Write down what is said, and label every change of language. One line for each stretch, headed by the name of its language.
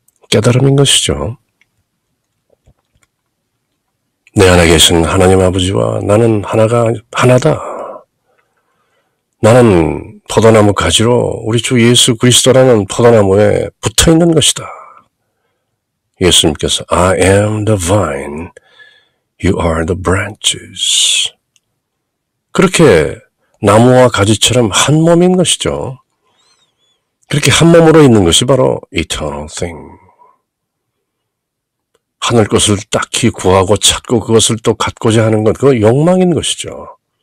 Korean: 깨달음인 것이죠. 내 안에 계신 하나님 아버지와 나는 하나다. 나는 포도나무 가지로 우리 주 예수 그리스도라는 포도나무에 붙어 있는 것이다. 예수님께서
English: I am the vine, you are the branches.
Korean: 그렇게 나무와 가지처럼 한 몸인 것이죠. 그렇게 한 몸으로 있는 것이 바로
English: eternal thing.
Korean: 하늘 것을 딱히 구하고 찾고 그것을 또 갖고자 하는 것, 그거 욕망인 것이죠.